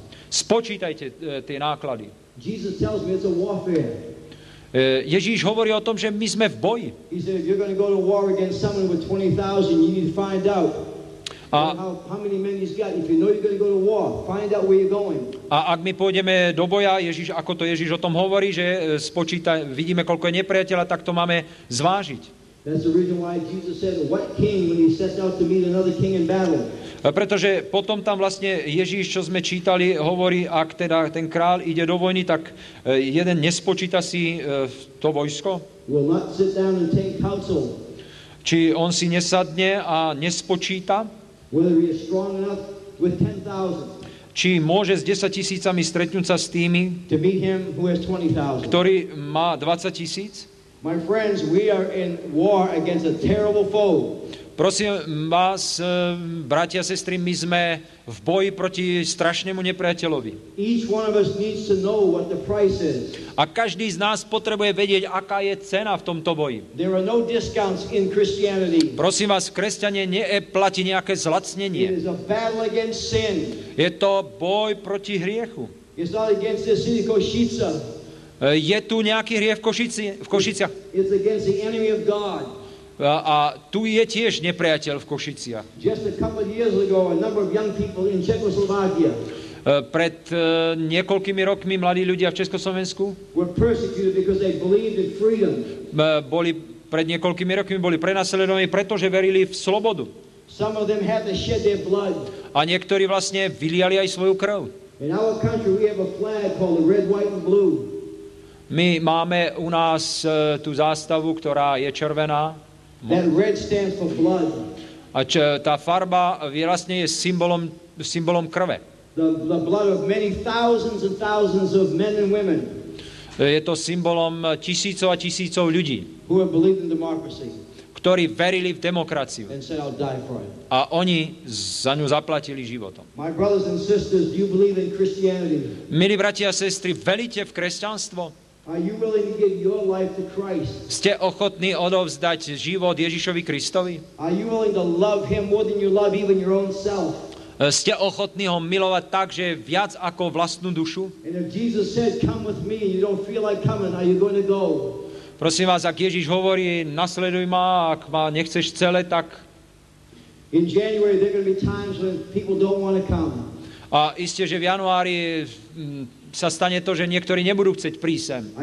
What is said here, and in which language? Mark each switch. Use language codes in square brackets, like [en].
[sk] Spočítajte tie náklady. [en] Jesus tells me it's a warfare. [sk] Ježíš hovorí o tom, že my sme v boji. [en] He said, if you're going to go to war against someone with 20,000, you need to find out. [sk] A [en] how many men he's got. If you know you're going to go to war, find out where you're going. [sk] A ak my pôjdeme do boja, Ježíš, ako to Ježíš o tom hovorí, že spočíta, vidíme, koľko je nepriateľa, tak to máme zvážiť. [en] That's the reason why Jesus said, what king when he sets out to meet another king in battle? [sk] Pretože potom tam vlastne Ježíš, čo sme čítali, hovorí, ak teda ten král ide do vojny, tak jeden nespočíta si to vojsko? [en] Will not sit down and take counsel. [sk] Či on si nesadne a nespočíta? [en] Whether he is strong enough with 10,000. [sk] Či môže s 10,000 stretnúť sa s tými, [en] to meet him who has 20,000. [sk] Ktorý má 20,000? [en] My friends, we are in war against a terrible foe. [sk] Prosím vás, bratia, sestry, my sme v boji proti strašnému nepriateľovi. [en] Each one of us needs to know what the price is. [sk] A každý z nás potrebuje vedieť, aká je cena v tomto boji. [en] There are no discounts in Christianity. [sk] Prosím vás, kresťanie neplatí nejaké zlacnenie. [en] It is a battle against sin. [sk] Je to boj proti hriechu. [en] It's not against the city of Košice. [sk] Je tu nejaký hriech v Košiciach. [en] It's against the enemy of God. [sk] A tu je tiež nepriateľ v Košiciach. [en] Just a couple of years ago, a number of young people in Czechoslovakia. [sk] Pred niekoľkými rokmi mladí ľudia v Československu [en] were persecuted because they believed in freedom. [sk] Boli pred niekoľkými rokmi boli prenasledovaní, pretože verili v slobodu. [en] Some of them had to shed their blood. [sk] A niektorí vlastne vyliali aj svoju krv. [en] In our country we have a flag called the red, white and blue. [sk] My máme u nás tú zástavu, ktorá je červená. [en] That red stands for blood. [sk] A tá farba vlastne je symbolom krve. [en] The blood of many thousands and thousands of men and women. [sk] Je to symbolom tisícov a tisícov ľudí, [en] who have believed in democracy. [sk] Ktorí verili v demokraciu. [en] And said, I'll die for it. [sk] A oni za ňu zaplatili životom. [en] My brothers and sisters, do you believe in Christianity? [sk] Milí bratia a sestry, veríte v kresťanstvo? [en] Are you willing to give your life to Christ? [sk] Ste ochotní odovzdať život Ježišovi Kristovi? [en] Are you willing to love him more than you love even your own self? [sk] Ste ochotní ho milovať tak, že viac ako vlastnú dušu? [en] And if Jesus said, come with me, and you don't feel like coming, are you going to go? [sk] Prosím vás, ak Ježiš hovorí, nasleduj ma, ak ma nechceš celé, tak... [en] In January there are going to be times when people don't want to come. [sk] A isté, že v januári sa stane to, že niektorí nebudú chcieť prísť sem.